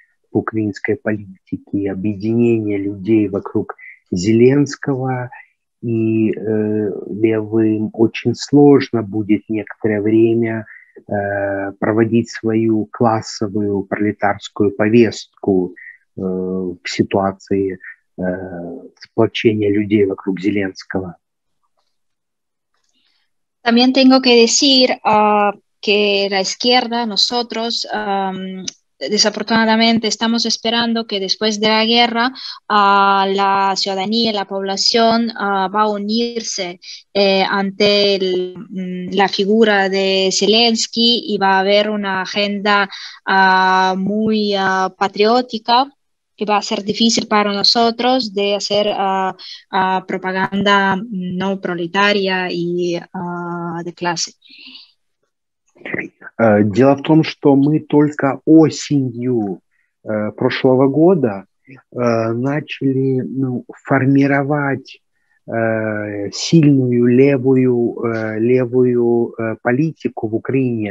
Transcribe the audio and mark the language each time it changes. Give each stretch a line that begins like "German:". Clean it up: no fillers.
Russian: в украинской политике, объединение людей вокруг Зеленского, и левым очень сложно будет некоторое время проводить свою классовую пролетарскую повестку в ситуации сплочения людей вокруг Зеленского.
Spanish: También tengo que decir que la izquierda, nosotros, desafortunadamente estamos esperando que después de la guerra la ciudadanía y la población va a unirse ante la figura de Zelensky y va a haber una agenda muy patriótica que va a ser difícil para nosotros de hacer propaganda no proletaria y de clase.
Russian: Дело в том, что мы только осенью прошлого года начали формировать сильную левую политику в Украине.